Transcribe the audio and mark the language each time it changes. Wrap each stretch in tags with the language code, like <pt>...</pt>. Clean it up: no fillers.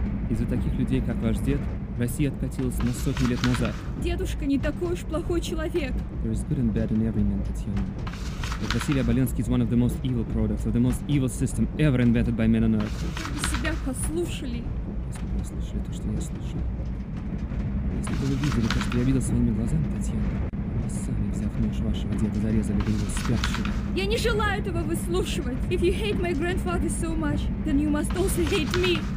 <ru>из-за таких людей, как ваш дед, Россия откатилась на сотни лет назад. Дедушка не такой уж плохой человек.</ru> <en>There is good and bad in every man, Татьяна. But Василий Оболенский is one of the most evil products of the most evil system ever invented by men on earth.</en> <ru>Вы бы себя послушали. Если бы вы слышали то, что я слышал. Если бы вы видели то, что я видел своими глазами, Татьяна, вы сами, взяв нож вашего деда, зарезали бы его спящего. Я не желаю этого выслушивать.</ru> <en>If you hate my grandfather so much, then you must also hate me.</en>